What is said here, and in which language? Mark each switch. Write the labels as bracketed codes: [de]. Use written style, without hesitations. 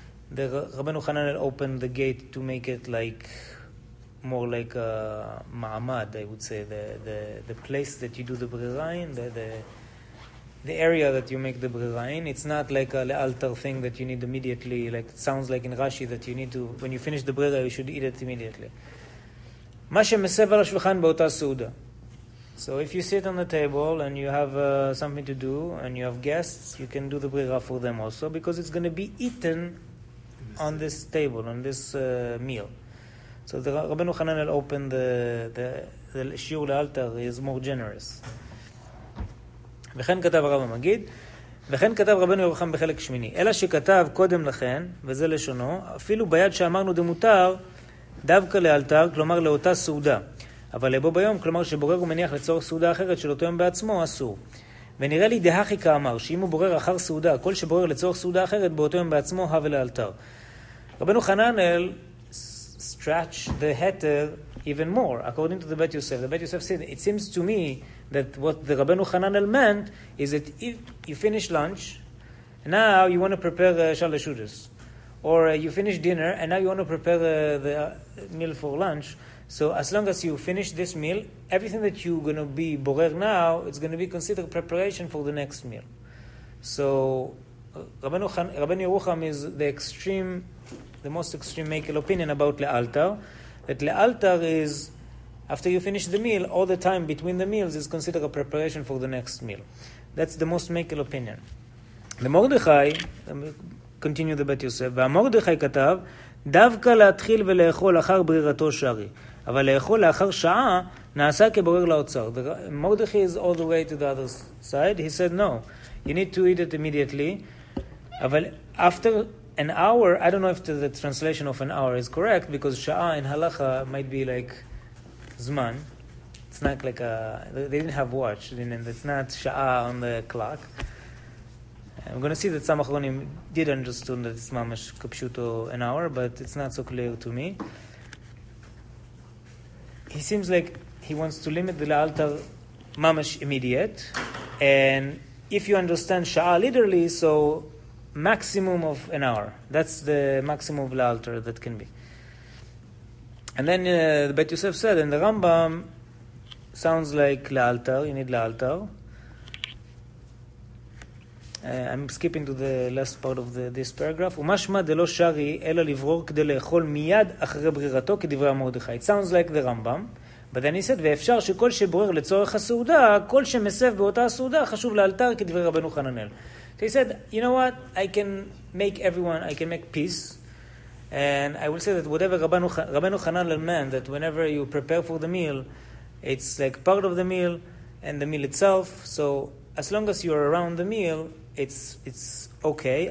[en] The Rabbeinu Chananel opened the gate to make it like more like a ma'amad, I would say, the place that you do the brirain, the area that you make the brirain. It's not like a le'altar thing that you need immediately, like it sounds like in Rashi that you need to, when you finish the brirain, you should eat it immediately. [he] מה שמסב על השולחן באותה סעודה. [en] So if you sit on the table and you have something to do and you have guests, you can do the brira for them also because it's going to be eaten on this table, on this meal. So the Rabbeinu Chananel opened the shiur le'altar is more generous. [he] וכן כתב הרב המגיד, וכן כתב רבנו ירוחם בחלק שמיני, אלא שכתב קודם לכן, וזה לשונו, אפילו ביד שאמרנו דמותר, דווקא לאלתר, כלומר לאותה סעודה. אבל לבוא ביום, כלומר שבורר הוא מניח לצורך סעודה אחרת של אותו יום בעצמו, אסור. ונראה לי דהכי כאמר, שאם הוא בורר אחר סעודה, כל שבורר לצורך סעודה אחרת, באותו יום בעצמו, הווה לאלתר. [en] רבנו חננאל, stretch the heter even more, according to the Bet Yosef. The Bet Yosef said, it seems to me that what the Rabbeinu Hananel meant is that if you finish lunch, now you want to prepare shalashudas. Or you finish dinner, and now you want to prepare the meal for lunch. So as long as you finish this meal, everything that you're going to be borer now, it's going to be considered preparation for the next meal. So Rabbeinu Yerucham is the extreme, the most extreme makel opinion about le'altar, that le'altar is, after you finish the meal, all the time between the meals is considered a preparation for the next meal. That's the most makel opinion. The Mordechai, continue the Bet Yosef, [he] והמורדכי כתב, דווקא להתחיל ולאכול אחר ברירתו שערי, אבל לאכול לאחר שעה נעשה כבורר לאוצר. [en] Mordechai is all the way to the other side. He said, no, you need to eat it immediately. [he] אבל [en] after an hour, I don't know if the translation of an hour is correct, because שעה in halacha might be like זמן. It's not like a, they didn't have watch, it's not שעה on the clock. I'm going to see that some achronim did understand that it's mamash kapshuto an hour, but it's not so clear to me. He seems like he wants to limit the le'altar mamash immediate, and if you understand sha'a literally, so maximum of an hour. That's the maximum of le'altar that can be. And then the Bet Yosef said, and the Rambam sounds like le'altar, you need le'altar. I'm skipping to the last part of this paragraph. [he] ומשמע דלא שרי אלא לברור כדי לאכול מיד אחרי ברירתו כדברי המורדכי. [en] It sounds like the Rambam, but then he said, [he] ואפשר שכל שבורר לצורך הסעודה, כל שמסב באותה הסעודה חשוב לאלתר כדברי רבנו חננאל. [en] So he said, you know what? I can make everyone, I can make peace. And I will say that whatever רבנו חננאל meant, that whenever you prepare for the meal, it's like part of the meal and the meal itself. So as long as you are around the meal, it's okay.